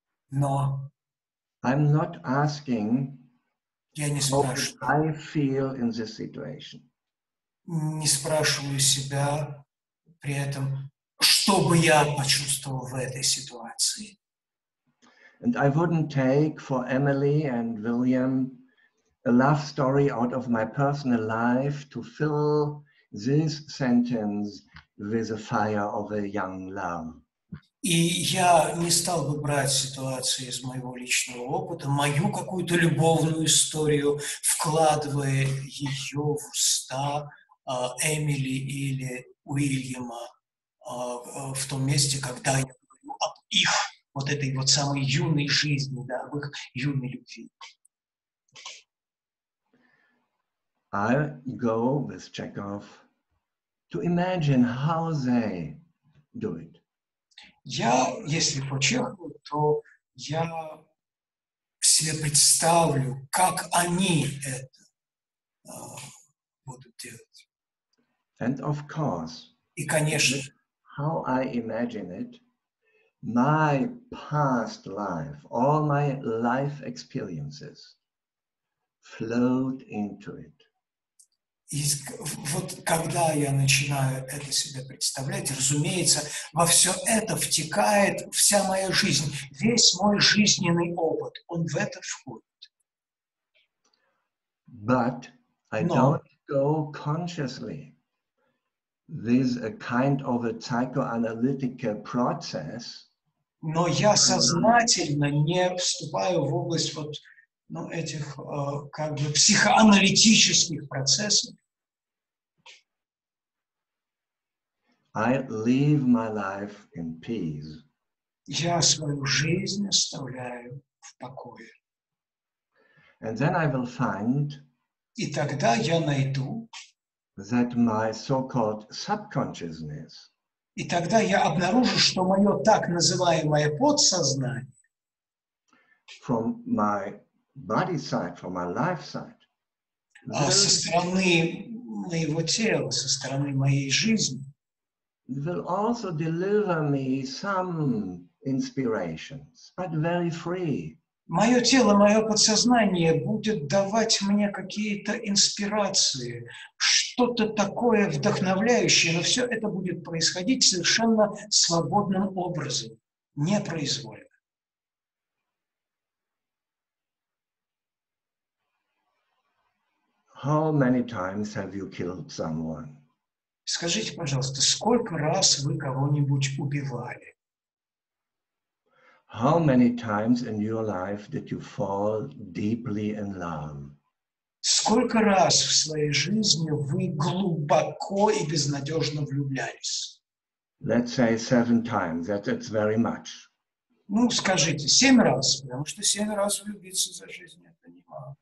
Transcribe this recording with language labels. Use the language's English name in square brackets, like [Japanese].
[English] no, I'm not asking. [Russian] Я не спрашиваю. [English] How I feel in this situation. [Russian] Не спрашиваю себя при этом, что бы я почувствовал в этой ситуации. [English] And I wouldn't take for Emily and William a love story out of my personal life to fill this sentence with the fire of a young love. [Russian] И я не стал бы брать ситуацию из моего личного опыта, мою какую-то любовную историю, вкладывая ее в уста Эмили или Уильяма в том месте, когда я говорю об их, вот этой вот самой юной жизни, да, об их юной любви. [English] I go with Chekhov to imagine how they do it. [Russian] Я, если по Чехову, то я себе представлю, как они это будут делать. [English] And of course, [Russian] и конечно, [English] how I imagine it, my past life, all my life experiences flowed into it. [Russian] И вот когда я начинаю это себе представлять, разумеется, во все это втекает вся моя жизнь, весь мой жизненный опыт, он в это входит. [English] But I don't go consciously. This is a kind of a psychoanalytical process. [Russian] Но я сознательно не вступаю в область вот ну, этих как бы психоаналитических процессов. [English] I live my life in peace. [Russian] Я свою жизнь оставляю в покое. [English] And then I will find. [Russian] И тогда я найду. [English] That my so-called subconsciousness. [Russian] И тогда я обнаружу, что мое так называемое подсознание. [English] From my body side, from my life side. [Russian] Со стороны моего тела, со стороны моей жизни. [English] Will also deliver me some inspirations, but very free. [Russian] Мое тело, мое подсознание будет давать мне какие-то инспирации, что-то такое вдохновляющее, но все это будет происходить совершенно свободным образом, непроизвольно. [English] How many times have you killed someone? [Russian] Скажите, пожалуйста, сколько раз вы кого-нибудь убивали? [English] How many times in your life did you fall deeply in love? [Russian] Сколько раз в своей жизни вы глубоко и безнадежно влюблялись? [English] Let's say 7 times, that's very much. [Russian] Ну, скажите, 7 раз, потому что 7 раз влюбиться за жизнь это немало.